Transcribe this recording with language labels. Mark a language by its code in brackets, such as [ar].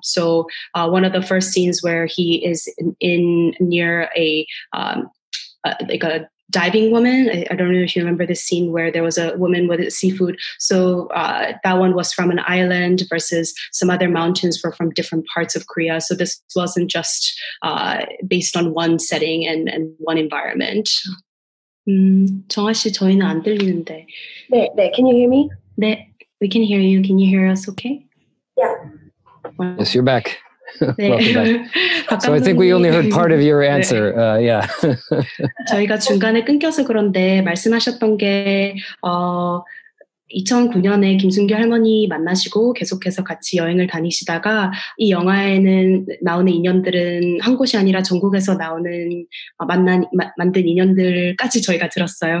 [en] So one of the first scenes where he is in near a diving woman. I don't know if you remember this scene where there was a woman with seafood. So that one was from an island versus some other mountains were from different parts of Korea. So this wasn't just based on one setting and one environment. [ko] 정아 씨, 저희는 안 들리는데. [en] 네, can you hear me? 네, we can hear you. Can you hear us okay? Yeah. Yes, you're back. So I think we only heard part of your answer. 네. Yeah. [ko] 저희가 중간에 끊겨서 그런데 말씀하셨던 게 2009년에 김순규 할머니 만나시고 계속해서 같이 여행을 다니시다가 이 영화에는 나오는 인연들은 한 곳이 아니라 전국에서 나오는 만든 인연들까지 저희가 들었어요.